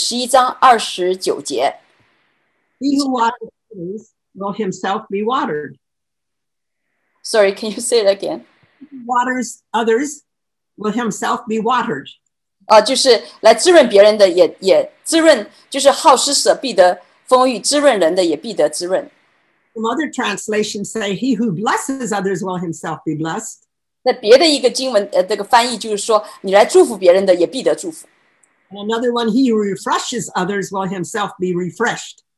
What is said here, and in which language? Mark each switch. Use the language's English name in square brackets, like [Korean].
[Chinese] 另外一个经文就是在箴言的，就是11章29节。 [English] He who waters streams will himself be watered. Sorry, can you say it again? He who waters others will himself be watered. [Chinese] 就是来滋润别人的也滋润，就是好施舍必得丰裕，滋润人的也必得滋润。 [English] Some other translations say, he who blesses others will himself be blessed. [Chinese] 那别的一个经文，这个翻译就是说，你来祝福别人的也必得祝福。 [English] Another one, he who refreshes others will himself be refreshed.